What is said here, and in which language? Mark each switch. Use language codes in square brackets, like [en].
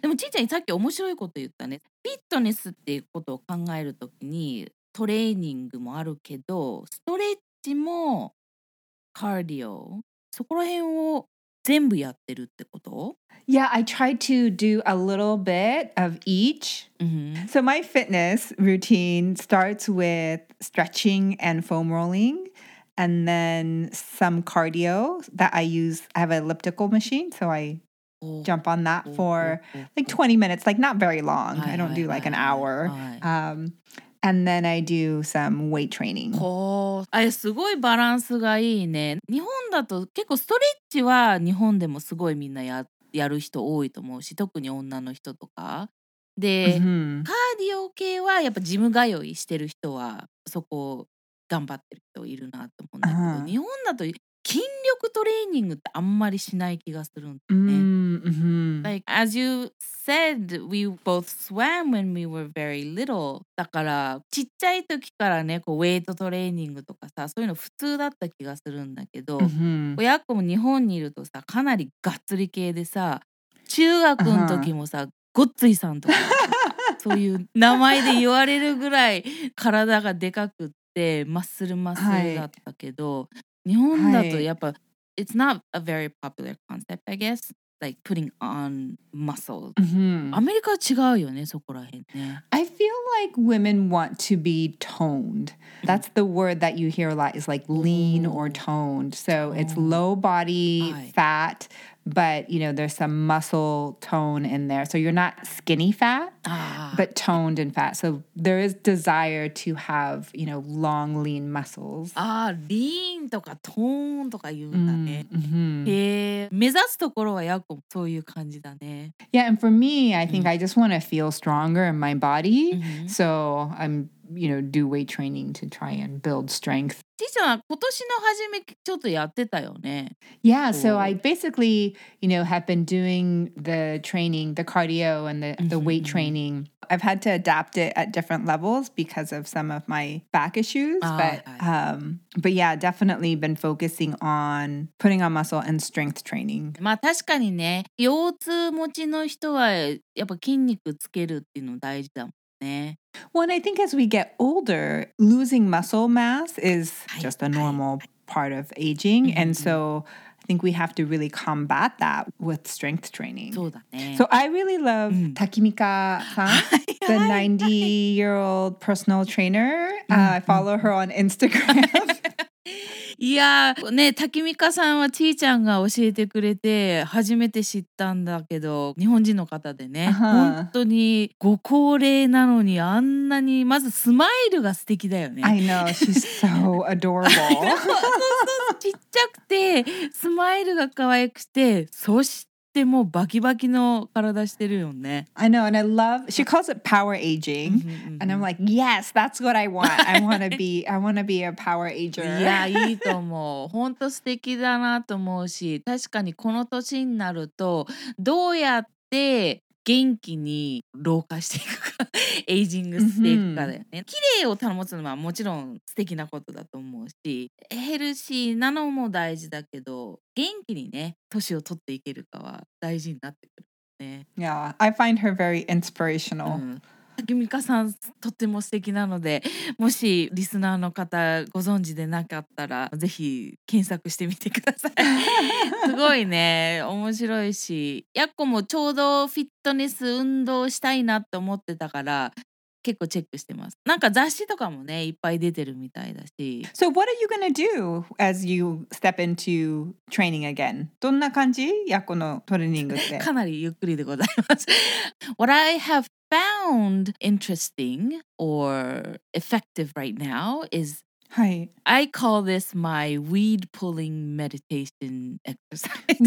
[ja] でもちーちゃんにさっき面白いこと言ったね。フィットネスっていうことを考えるときに、トレーニングもあるけど、ストレッチもカーディオ、そこら辺を全部やってるってこと? [en] Yeah, I try to do a little bit of each. Mm-hmm. So my fitness routine starts with stretching and foam rolling, and then some cardio that I use. I have an elliptical machine, so I jump on that for like 20 minutes, like not very long. I don't do like an hour. And then I do some weight training. [ja] Oh, すごいバランスがいいね。日本だと結構ストレッチは日本でもすごいみんなやる人多いと思うし、特に女の人とか。で、カーディオ系はやっぱジム通いしてる人はそこ頑張ってる人いるなと思うんだけど、日本だと筋力トレーニングってあんまりしない気がするんだよね。 [en] Like, as you said, we both swam when we were very little. [ja] だから、ちっちゃい時からね、こうウェイトトレーニングとかさ、そういうの普通だった気がするんだけど、 mm-hmm. 親子も日本にいるとさ、かなりがっつり系でさ、中学の時もさ、ごっついさんとか、そういう名前で言われるぐらい体がでかくって、マッスルマッスルだったけど、日本だとやっぱ、 [en] it's not a very popular concept, I guess. Like putting on muscle. Mm-hmm. [ja] America は違うよね、そこら辺ね。 [en] I feel like women want to be toned. That's the word that you hear a lot is like lean or toned. So it's low body fat, but you know, there's some muscle tone in there. So you're not skinny fat, but toned and fat. So there is desire to have, you know, long lean muscles. [ja] Ah, lean とか toned とか言うんだね。 Mm-hmm. 目指すところはやっぱそういう感じだね。 [en] Yeah, and for me, I think I just want to feel stronger in my body. Mm-hmm. So I'm, you know, do weight training to try and build strength. [ja] ちーちゃん、今年の初めちょっとやってたよね。 [en] Yeah, so I basically, you know, have been doing the training, the cardio and the weight training. I've had to adapt it at different levels because of some of my back issues. But yeah, definitely been focusing on putting on muscle and strength training. [ja] まあ確かにね、腰痛持ちの人はやっぱ筋肉つけるっていうの大事だもんね。 [en] Well, I think as we get older, losing muscle mass is just a normal part of aging. Mm-hmm. And so I think we have to really combat that with strength training. [ja] そうだね。 [en] So I really love Takimika-san, the 90-year-old personal trainer. I follow her on Instagram. [ja] いやね、タキミカさんはちーちゃんが教えてくれて初めて知ったんだけど、日本人の方でね、本当にご高齢なのにあんなに、まずスマイルが素敵だよね。 [en] I know, she's so adorable. [ja] ちっちゃくてスマイルが可愛くて、そしてもうバキバキの体してるよね。 [en] I know, and I love, she calls it power aging. And I'm like, yes, that's what I want. I want to be a power ager. [ja] いや、いいと思う。本当素敵だなと思うし、確かにこの年になると、どうやって元気に老化していくか、エイジングしていくかだよね。綺麗を保つのはもちろん素敵なことだと思うし、ヘルシーなのも大事だけど、元気にね、年を取っていけるかは大事になってくるね。 [en] Yeah, I find her very inspirational. [ja] タキミカさん、とっても素敵なので、もしリスナーの方ご存知でなかったら、ぜひ検索してみてください。すごいね、面白いし、ヤッコもちょうどフィットネス運動したいなって思ってたから、結構チェックしてます。なんか雑誌とかもね、いっぱい出てるみたいだし。 [en] So what are you gonna do as you step into training again? [ja] どんな感じ? ヤッコのトレーニングって。かなりゆっくりでございます。 [en] What I have found interesting or effective right now is I call this my weed pulling meditation exercise.